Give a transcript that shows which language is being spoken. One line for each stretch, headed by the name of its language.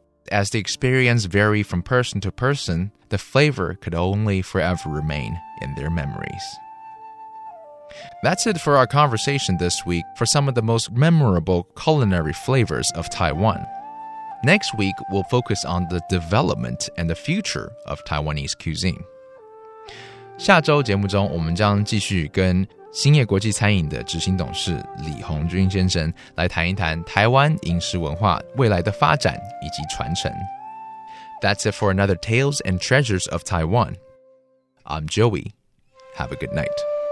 English: As the experience varied from person to person, the flavor could only forever remain in their memories. That's it for our conversation this week for some of the most memorable culinary flavors of Taiwan. Next week, we'll focus on the development and the future of Taiwanese cuisine.
Chinese: 下周节目中，我们将继续跟兴业国际餐饮的执行董事李宏军先生来谈一谈台湾饮食文化未来的发展以及传承。
English: That's it for another Tales and Treasures of Taiwan. I'm Joey. Have a good night.